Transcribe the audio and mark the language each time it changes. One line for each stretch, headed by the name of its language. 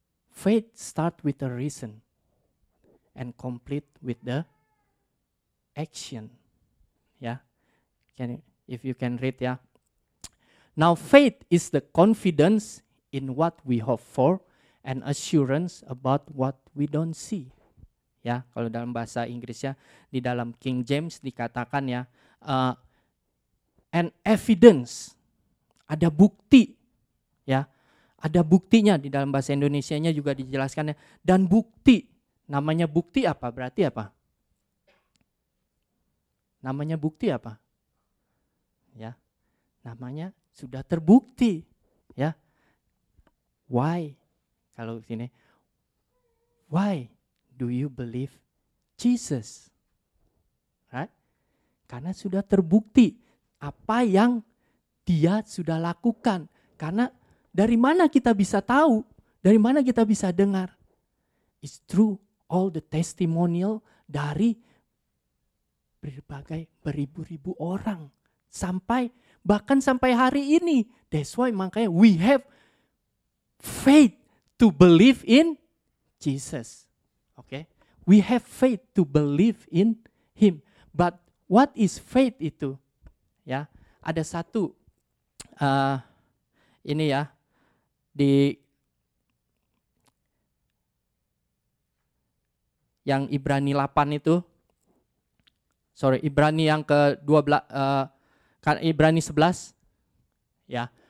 English: Faith start with the reason and complete with the action. Ya. Can if you can read ya. Now faith is the confidence in what we hope for and assurance about what we don't see.
Indonesian: Ya, kalau dalam bahasa Inggrisnya di dalam King James dikatakan ya,
English: and evidence,
Indonesian: ada bukti ya, ada buktinya di dalam bahasa Indonesianya juga dijelaskan ya, dan bukti, namanya bukti apa, berarti apa namanya bukti apa ya, namanya sudah terbukti ya.
English: Why,
Indonesian: kalau sini,
English: why do you believe Jesus, right?
Indonesian: Karena sudah terbukti apa yang dia sudah lakukan. Karena dari mana kita bisa tahu? Dari mana kita bisa dengar?
English: It's true, all the testimonial
Indonesian: dari berbagai beribu-ribu orang. Sampai, bahkan sampai hari ini.
English: That's why
Indonesian: makanya
English: we have faith to believe in Jesus. Okay? We have faith to believe in Him. But what is faith itu?
Indonesian: Ya, ada satu ini ya, di yang Ibrani 8 itu, sorry, Ibrani yang ke 12, Ibrani 11 ya.